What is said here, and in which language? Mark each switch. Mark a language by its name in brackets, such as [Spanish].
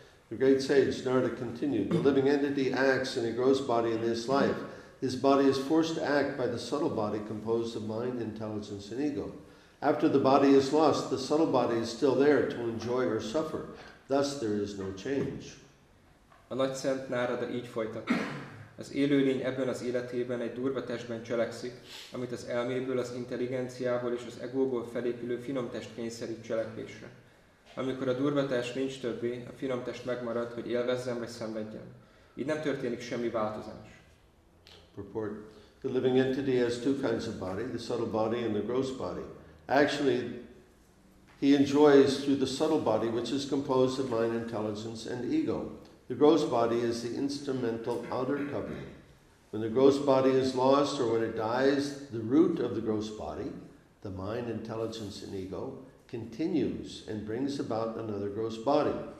[English] The great sage Narada continued, the living entity acts in a gross body in this life. His body is forced to act by the subtle body composed of mind, intelligence, and ego. After the body is lost, the subtle body is still there to enjoy or suffer. Thus there is no change. [Hungarian] A nagy szent Narada így folytatta. Az élőlény ebben az életében egy durva testben cselekszik, amit az elméből, az intelligenciából és az egóból felépülő finom test kényszerít cselekvésre. Amikor a durva test nincs többé, a finom test megmarad, hogy élvezzen vagy szenvedjen. Így nem történik semmi változás. [English] Purport. The living entity has two kinds of body, the subtle body and the gross body. Actually, he enjoys through the subtle body, which is composed of mind, intelligence, and ego. The gross body is the instrumental outer covering. When the gross body is lost or when it dies, the root of the gross body, the mind, intelligence, and ego, continues and brings about another gross body.